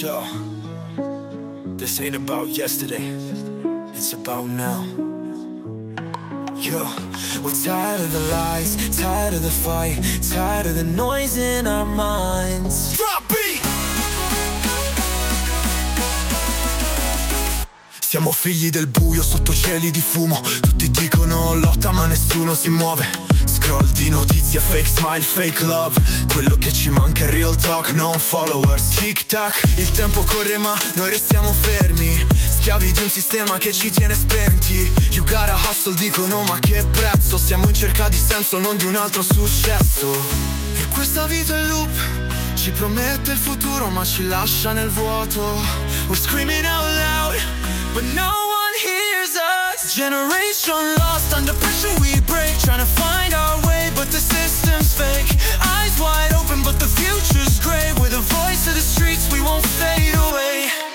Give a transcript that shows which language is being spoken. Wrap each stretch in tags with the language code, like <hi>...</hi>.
<en>Yo, this ain't about yesterday, it's about now. Yo, we're tired of the lies, tired of the fight, tired of the noise in our minds. Drop beat!</en> <it>Siamo figli del buio sotto cieli di fumo. Tutti dicono lotta ma nessuno si muove. Scroll di notizie, fake smile, fake love. Quello che ci manca è real talk, non followers. Tic tac, il tempo corre ma noi restiamo fermi. Schiavi di un sistema che ci tiene spenti. You gotta hustle, dicono ma che prezzo. Siamo in cerca di senso, non di un altro successo. E questa vita è loop, ci promette il futuro ma ci lascia nel vuoto.</it> <en>We're screaming out loud, but no one hears us. Generation lost, under pressure we break. Trying to find our way, but the system's fake. Eyes wide open, but the future's gray. We're the voice of the streets, we won't fade away.</en>